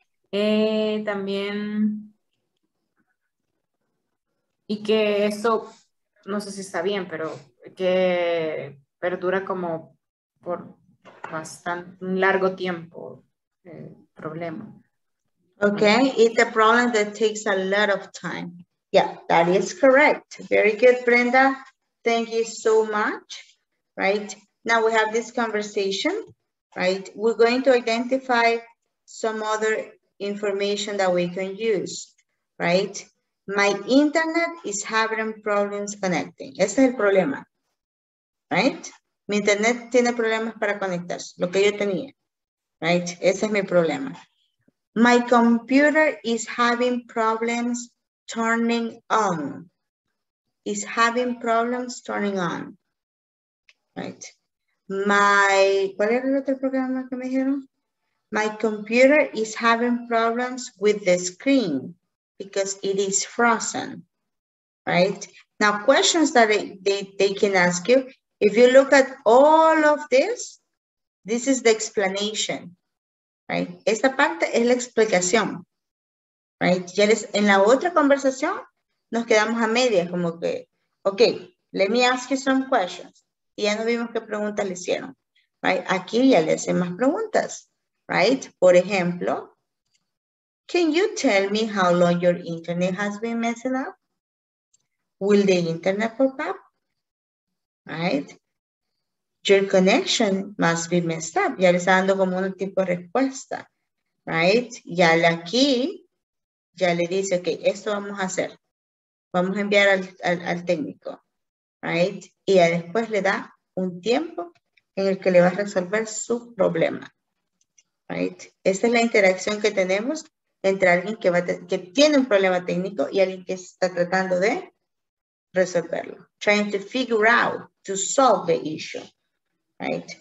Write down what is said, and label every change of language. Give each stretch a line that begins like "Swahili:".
Spanish: También. Y que esto, no sé si está bien, pero que perdura como por bastante, un largo tiempo el problema.
English: Okay, it's a problem that takes a lot of time. Yeah, that is correct. Very good, Brenda. Thank you so much, right? Now we have this conversation, right? We're going to identify some other information that we can use, right? My internet is having problems connecting.
Spanish: Ese es el problema, right? Mi internet tiene problemas para conectarse, lo que yo tenía, right? Ese es mi problema.
English: My computer is having problems turning on. Is having problems turning on, right?
Spanish: ¿Cuál era el otro programa que me dijeron?
English: My computer is having problems with the screen because it is frozen, right? Now, questions that they can ask you, if you look at all of this, this is the explanation, right?
Spanish: Esta parte es la explicación, right? Ya les, en la otra conversación, nos quedamos a medias, como que, ok,
English: let me ask you some questions.
Spanish: Y ya nos vimos qué preguntas le hicieron, right? Aquí ya le hacen más preguntas, right? Por ejemplo,
English: can you tell me how long your internet has been messing up? Will the internet pop up? Right? Your connection must be messed up.
Spanish: Ya le está dando como un tipo de respuesta, right? Ya aquí, ya le dice, ok, esto vamos a hacer. Vamos a enviar al técnico, right? Y ya después le da un tiempo en el que le va a resolver su problema, right? Esta es la interacción que tenemos entre alguien que tiene un problema técnico y alguien que está tratando de resolverlo.
English: Trying to figure out, to solve the issue, right?